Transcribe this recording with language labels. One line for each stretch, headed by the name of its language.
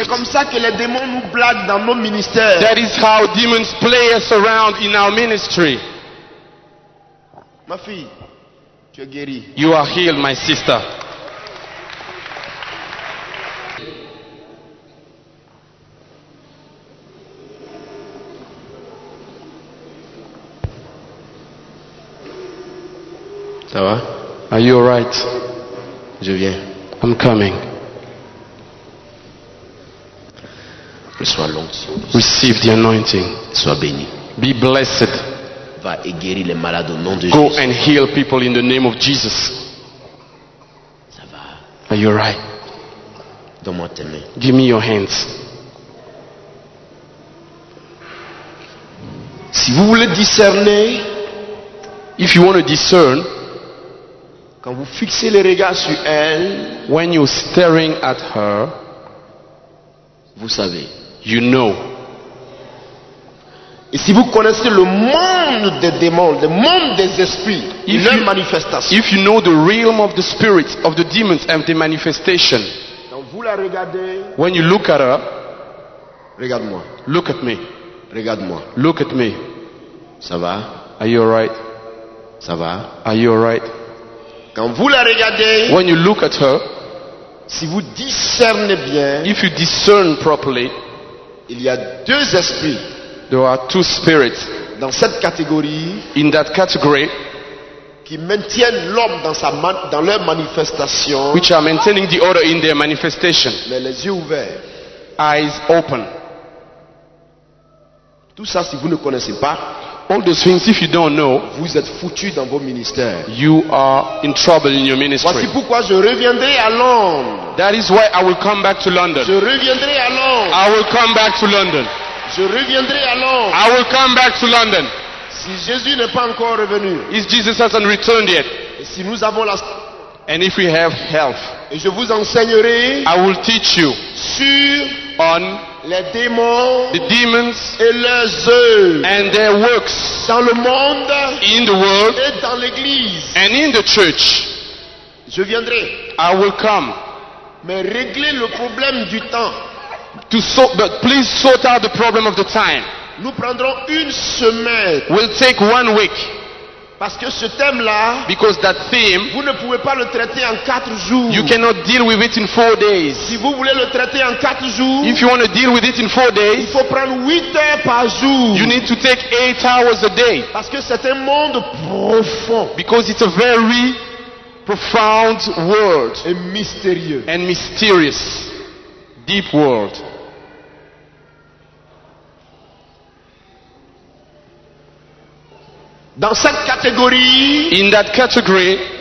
French: c'est comme ça que les démons nous blaguent dans nos ministères.
English: That is how demons play us around in our ministry.
French: Ma fille, tu es guérie.
English: You are healed, my sister.
French: Ça va?
English: Are you all right?
French: Je viens.
English: I'm coming.
French: Reçois l'onction.
English: Receive the anointing.
French: Sois béni.
English: Be blessed.
French: Va et guéris les malades au nom de
English: Jésus. Go and heal people in the name of Jesus.
French: Ça va.
English: Are you all right?
French: Donne-moi tes mains.
English: Give me your hands.
French: Si vous voulez discerner,
English: if you want to discern,
French: quand vous fixez les regards sur elle,
English: when you're staring at her,
French: vous savez,
English: you know.
French: Et si vous connaissez le monde des démons, le monde des esprits, leur manifestation.
English: If you know the realm of the spirits, of the demons and the manifestation.
French: Quand vous la regardez,
English: when you look at her,
French: regarde-moi.
English: Look at me.
French: Regarde-moi.
English: Look at me.
French: Ça va?
English: Are you alright?
French: Ça va?
English: Are you alright?
French: Quand vous la regardez,
English: when you look at her,
French: si vous discernez bien,
English: if you discern properly,
French: il y a deux esprits.
English: There are two spirits
French: dans cette catégorie,
English: in that category,
French: qui maintiennent l'homme dans sa dans leur manifestation,
English: which are maintaining the other in their manifestation.
French: Mais les yeux ouverts,
English: eyes open.
French: Tout ça, si vous ne connaissez pas,
English: all those things, if you don't know,
French: vous êtes foutu dans vos ministères.
English: You are in trouble in your ministry.
French: Voici pourquoi je reviendrai à Londres.
English: That is why I will come back to London.
French: Je reviendrai à Londres.
English: I will come back to London.
French: Je reviendrai à Londres.
English: I will come back to London.
French: Si Jésus n'est pas encore revenu,
English: if Jesus hasn't returned yet,
French: et si nous avons la,
English: and if we have health,
French: et je vous enseignerai,
English: I will teach you,
French: sur,
English: on,
French: les démons,
English: the demons,
French: et leurs œuvres,
English: and their works,
French: dans le monde,
English: in the world,
French: et dans l'église,
English: and in the church.
French: Je viendrai.
English: I will come.
French: Mais régler le problème du temps.
English: To sort, but please sort out the problem of the time.
French: Nous prendrons une semaine.
English: We'll take 1 week.
French: Parce que ce thème là,
English: because that theme,
French: vous ne pouvez pas le traiter en 4 jours.
English: You cannot deal with it in 4 days.
French: Si vous voulez le traiter en 4 jours,
English: if you want to deal with it in 4 days,
French: il faut prendre 8 heures par jour.
English: You need to take 8 hours a day.
French: Parce que c'est un monde profond.
English: Because it's a very profound world.
French: Et mystérieux.
English: And mysterious. Deep world.
French: Dans cette catégorie, in that category,